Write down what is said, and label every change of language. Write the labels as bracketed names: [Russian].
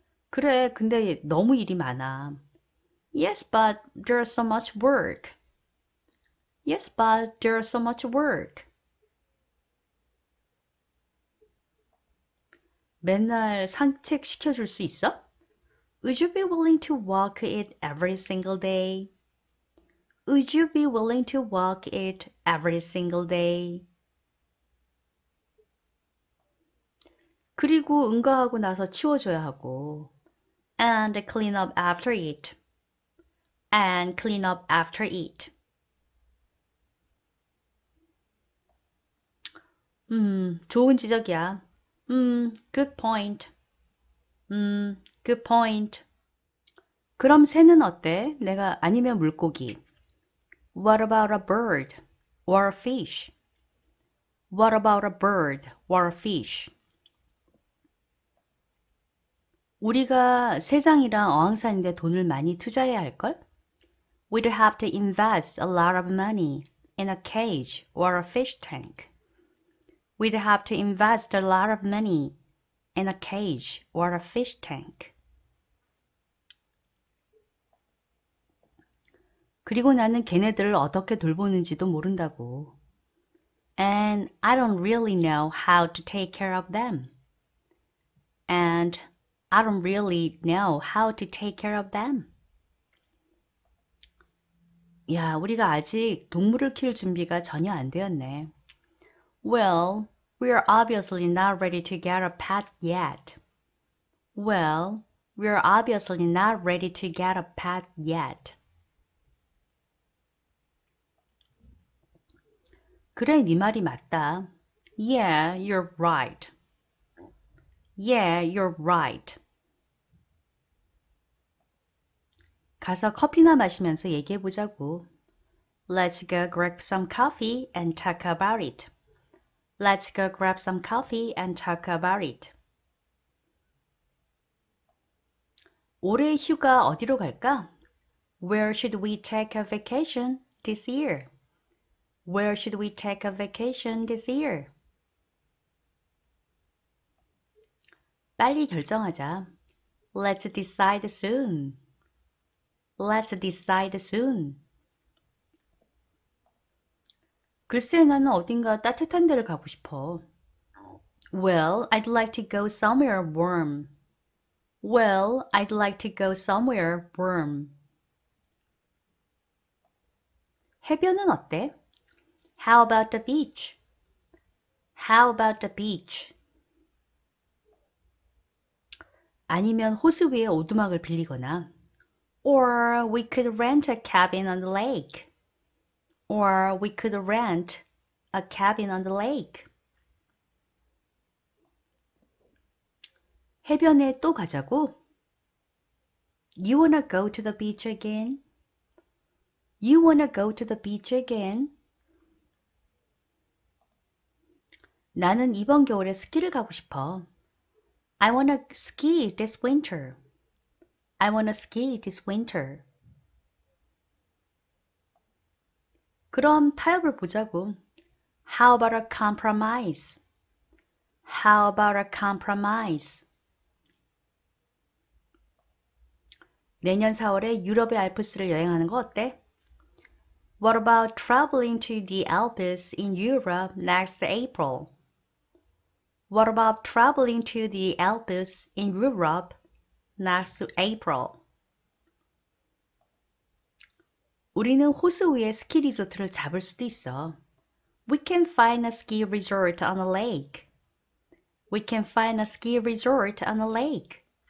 [Korean] 그래, 근데 너무 일이 많아. [English] Yes, but there is so much work. Yes, but there is so much work. [Korean] 맨날 산책 시켜줄 수 있어? [English] Would you be willing to walk it every single day? Would you be willing to walk it every single day? [Korean] 그리고 응가하고 나서 치워줘야 하고. [English] And clean up after it. And clean up after it. [Korean] 좋은 지적이야. [English] Good point. Good point. [Korean] 그럼 새는 어때? 내가 아니면 물고기. [English] What about a bird or a fish? What about a bird or a fish? [Korean] 우리가 세장이랑 어항산인데 돈을 많이 투자해야 할걸? [English] We'd have to invest a lot of money in a cage or a fish tank. We'd have to invest a lot of money in a cage or a fish tank. [Korean] 그리고 나는 걔네들을 어떻게 돌보는지도 모른다고. [English] And I don't really know how to take care of them. And I don't really know how to take care of them. [Korean] 야, 우리가 아직 동물을 키울 준비가 전혀 안 되었네. [English] Well, we are obviously not ready to get a pet yet. Well, we are obviously not ready to get a pet yet. [Korean] 그래, 네 말이 맞다. [English] Yeah, you're right. Yeah, you're right. [Korean] 가서 커피나 마시면서 얘기해 보자고. [English] Let's go grab some coffee and talk about it. Let's go grab some coffee and talk about it. [Korean] 올해 휴가 어디로 갈까? [English] Where should we take a vacation this year? Where should we take a vacation this year? [Korean] 빨리 결정하자. [English] Let's decide soon. Let's decide soon. [Korean] 글쎄, 나는 어딘가 따뜻한 데를 가고 싶어. [English] Well, I'd like to go somewhere warm. Well, I'd like to go somewhere warm. [Korean] 해변은 어때? [English] How about the beach? How about the beach? [Korean] 아니면 호수 위에 오두막을 빌리거나. [English] Or we could rent a cabin on the lake. Or we could rent a cabin on the lake. [Korean] 해변에 또 가자고. [English] You wanna go to the beach again? You wanna go to the beach again? [Korean] 나는 이번 겨울에 스키를 가고 싶어. [English] I wanna ski this winter. I wanna ski this winter. [Korean] 그럼 타협을 보자고. [English] How about a compromise? How about a compromise? [Korean] 내년 4월에 유럽의 알프스를 여행하는 거 어때? [English] What about traveling to the Alps in Europe next April? What about traveling to the Alps in Europe next April? [Korean] 우리는 호수 위에 스키 리조트를 잡을 수도 있어. [English] We can find a ski resort on a lake. We can find a ski resort on a lake.